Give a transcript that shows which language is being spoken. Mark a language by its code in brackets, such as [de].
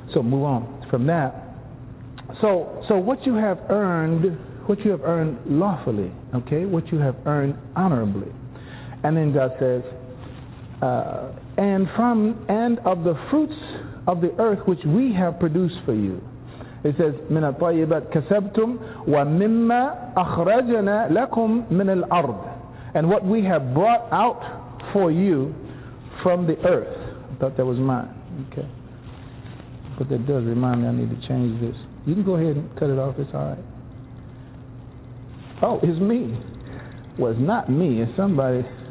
[en] So move on from that. So what you have earned lawfully, okay, what you have earned honorably. And then God says, and of the fruits of the earth which we have produced for you. It says, [ar] من الطيبات كسبتم ومما أخرجنا لكم من الأرض. [en] And what we have brought out for you from the earth. I thought that was mine. Okay. But that does remind me I need to change this. You can go ahead and cut it off. It's all right. Oh, it's me. Well, it's not me. It's somebody.